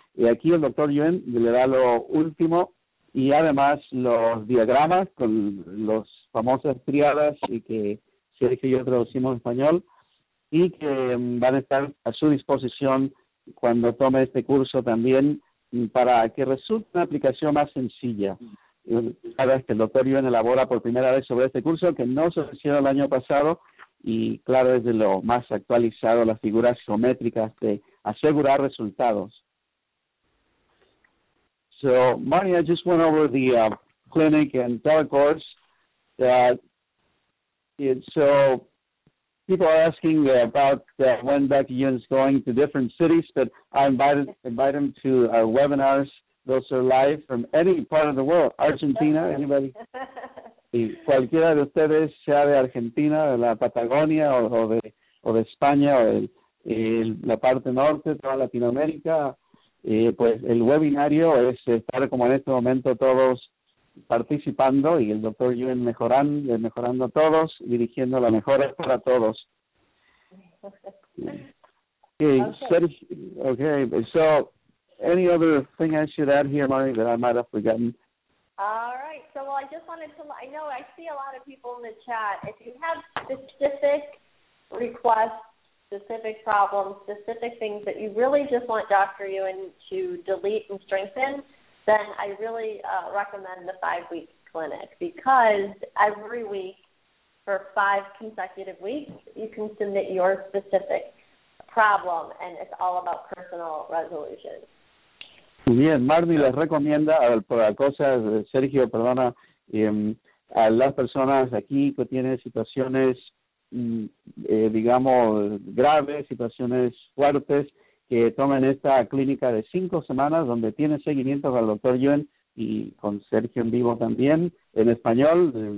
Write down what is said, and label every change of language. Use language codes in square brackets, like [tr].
[es] Y aquí el doctor Yuen le da lo último y además los diagramas con los famosos triadas y que Sergio y yo traducimos en español y que van a estar a su disposición cuando tome este curso también para que resulte una aplicación más sencilla. Cada vez que el doctor Yuen elabora por primera vez sobre este curso, que no se hicieron el año pasado, y claro, es de lo más actualizado, las figuras geométricas de asegurar resultados. [en] So, Marty, I just went over the clinic and telecourse. So, people are asking about when Dr. Yuen is going to different cities, but I invite him to our webinars. Those are live from any part of the world. Argentina, anybody? [es] Y cualquiera de ustedes, sea de Argentina, de la Patagonia, o de España, o de la parte norte, toda Latinoamérica, pues el webinario es estar como en este momento todos participando y el doctor Yuen mejorando a todos, dirigiendo la mejora para todos. [en] Okay, so. Any other thing I should add here, Marty, that I might have forgotten? All right. So, well, I just wanted to, I know I see a lot of people in the chat. If you have specific requests, specific problems, specific things that you really just want Dr. Yuen to delete and strengthen, then I really recommend the 5-week clinic because every week for 5 consecutive weeks, you can submit your specific problem, and it's all about personal resolution. [es] Bien, Marty les recomienda a las personas aquí que tienen situaciones, digamos, graves, situaciones fuertes, que tomen esta clínica de 5 semanas donde tiene seguimiento con el doctor Yuen y con Sergio en vivo también, en español.